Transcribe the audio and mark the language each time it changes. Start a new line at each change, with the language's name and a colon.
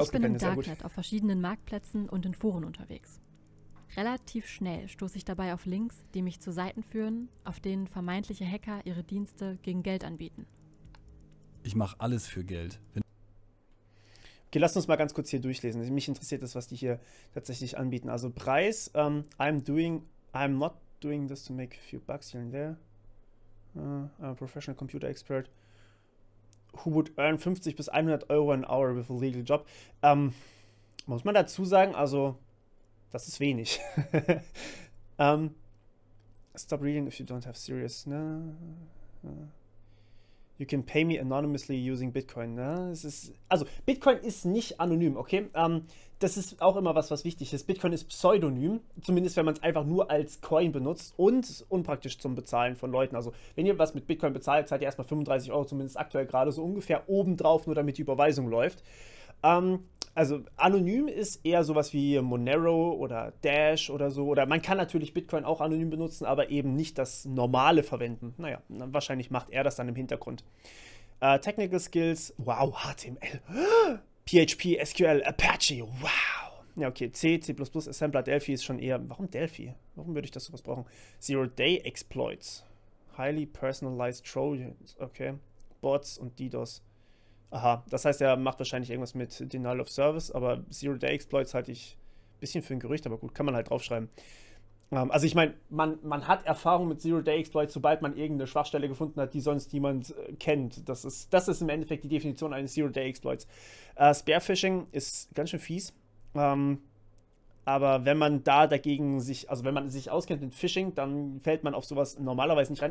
German: ich bin im Darknet auf verschiedenen Marktplätzen und in Foren unterwegs. Relativ schnell stoße ich dabei auf Links, die mich zu Seiten führen, auf denen vermeintliche Hacker ihre Dienste gegen Geld anbieten. Ich mache alles für Geld. Okay, lass uns mal ganz kurz hier durchlesen. Mich interessiert das, was die hier tatsächlich anbieten. Also Preis,
English: I'm not doing this to make a few bucks here and there. I'm a professional computer expert. Who would earn 50
German: bis
English: 100 Euro an hour with a legal job?
German: Muss man dazu sagen, also, das ist wenig.
English: stop reading if you don't have serious. No. You can pay me anonymously using Bitcoin. No?
German: Also, Bitcoin ist nicht anonym, okay? Das ist auch immer was wichtig ist. Bitcoin ist pseudonym, zumindest wenn man es einfach nur als Coin benutzt und unpraktisch zum Bezahlen von Leuten. Also, wenn ihr was mit Bitcoin bezahlt, zahlt ihr erstmal 35 Euro, zumindest aktuell gerade so ungefähr, obendrauf, nur damit die Überweisung läuft. Also, anonym ist eher sowas wie Monero oder Dash oder so. Oder man kann natürlich Bitcoin auch anonym benutzen, aber eben nicht das Normale verwenden. Naja, wahrscheinlich macht er das dann im Hintergrund.
English: Technical Skills,
German: wow, HTML, PHP, SQL, Apache, wow. Ja, okay, C, C++, Assembler, Delphi ist schon eher... Warum Delphi? Warum würde ich das sowas brauchen?
English: Zero-Day Exploits, Highly Personalized Trojans, okay.
German: Bots und DDoS. Aha, das heißt, er macht wahrscheinlich irgendwas mit Denial of Service, aber Zero-Day-Exploits halte ich ein bisschen für ein Gerücht, aber gut, kann man halt draufschreiben. Also ich meine, man hat Erfahrung mit Zero-Day-Exploits, sobald man irgendeine Schwachstelle gefunden hat, die sonst niemand kennt. Das ist im Endeffekt die Definition eines Zero-Day-Exploits. Spear-Phishing ist ganz schön fies, aber wenn man da dagegen sich, also wenn man sich auskennt mit Phishing, dann fällt man auf sowas normalerweise nicht rein.